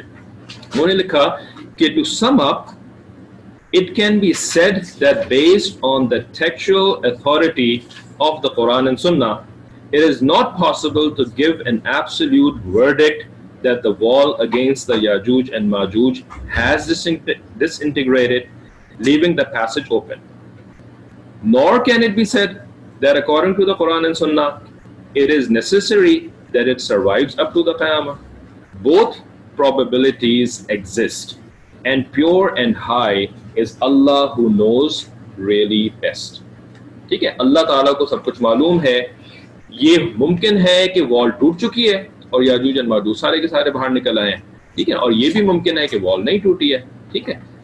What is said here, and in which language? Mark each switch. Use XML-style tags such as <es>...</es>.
<hi>उन्होंने लिखा कि</hi> <en>To sum up, it can be said that based on the textual authority of the Quran and Sunna, it is not possible to give an absolute verdict that the wall against the Yajuj and Majuj has disintegrated, leaving the passage open. Nor can it be said that according to the Quran and Sunnah, it is necessary that it survives up to the Qiyamah. Both probabilities exist, and pure and high is Allah who knows really best.</en> <hi>ठीक है, अल्लाह ताला को सब कुछ मालूम है, ये मुमकिन है कि वॉल टूट चुकी है और याजूज एंड माजूज सारे के सारे बाहर निकल आए, ठीक है, और ये भी मुमकिन है कि वॉल नहीं टूटी है, ठीक है।</hi>